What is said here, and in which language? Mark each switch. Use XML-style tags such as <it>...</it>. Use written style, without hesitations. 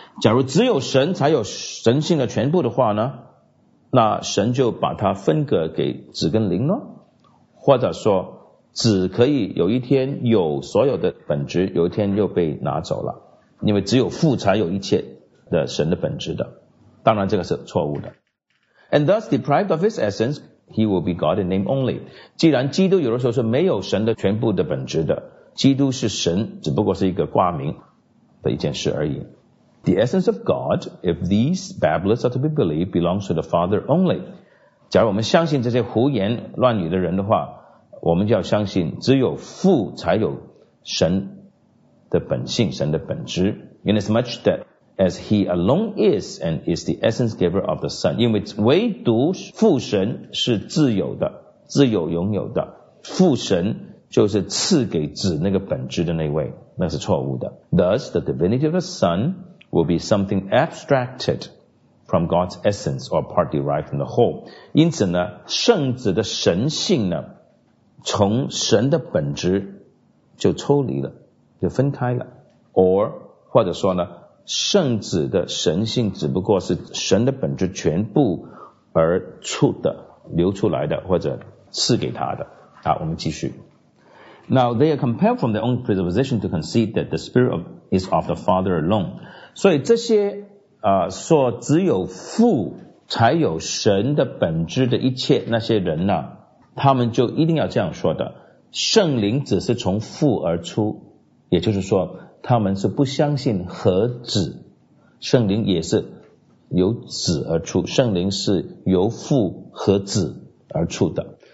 <zh>假如只有神才有神性的全部的话呢，那神就把它分隔给子跟灵咯，或者说子可以有一天有所有的本质，有一天又被拿走了，因为只有父才有一切的神的本质的，当然这个是错误的。</zh> <en>And thus deprived of his essence, he will be God in name only.</en> <zh>既然基督有的时候是没有神的全部的本质的，基督是神只不过是一个挂名的一件事而已。</zh> <en>The essence of God, if these babblers are to be believed, belongs to the Father only.</en> <zh>假如我们相信这些胡言乱语的人的话，我们就要相信只有父才有神的本性，神的本质。</zh> <en>Inasmuch that as he alone is and is the essence giver of the Son,</en> <zh>因为唯独父神是自有的，自有拥有的，父神就是赐给子那个本质的那位，那是错误的。</zh> <en>Thus the divinity of the Son will be something abstracted from God's essence or part derived from the whole.</en> <zh>因此呢，圣子的神性呢，从神的本质就抽离了，就分开了。 Or, 或者说呢，圣子的神性只不过是神的本质全部而出的，流出来的，或者赐给他的。好，我们继续。</zh> <en>Now, they are compelled from their own presupposition to concede that the Spirit is of the Father alone.</en> <zh>所以这些说只有父才有神的本质的一切那些人呢，他们就一定要这样说的，圣灵只是从父而出，也就是说他们是不相信和子，圣灵也是由子而出，圣灵是由父和子而出的。</zh>